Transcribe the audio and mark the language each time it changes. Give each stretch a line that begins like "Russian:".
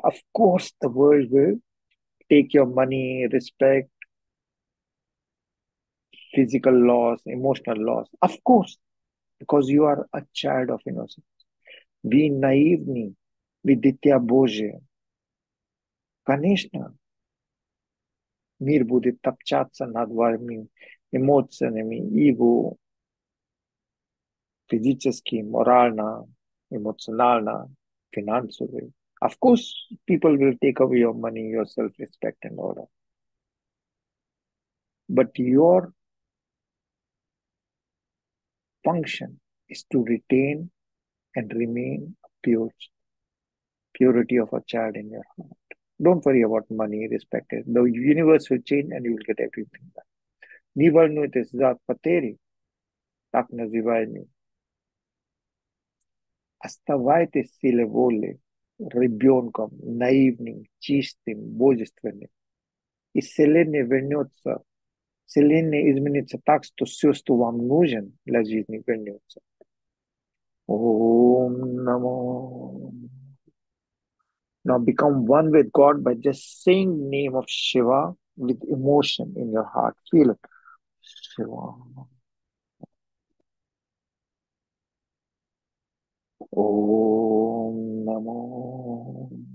English: Of course the world will take your money, respect, physical loss, emotional loss. Of course, because you are a child of innocence. Be naive, vidya bhojya.
Russian: Конечно, мир будет топчаться над вами эмоциями, его физически, морально, эмоционально, финансово.
English: Of course, people will take away your money, your self-respect and all that. But your function is to retain and remain purity of a child in your heart. Don't worry about money, respect it. The universe will change and you will get everything back.
Russian: Не волнуйтесь за потери, так называемые. Оставайтесь силе воли ребенком, наивным, чистым, божественным. И вселенная вернется. Вселенная изменится так, что все, что вам нужен для жизни, вернется.
Sanskrit: Ом намо.
English: Now become one with God by just saying name of Shiva with emotion in your heart. Feel it. Shiva.
Sanskrit: Ом намо.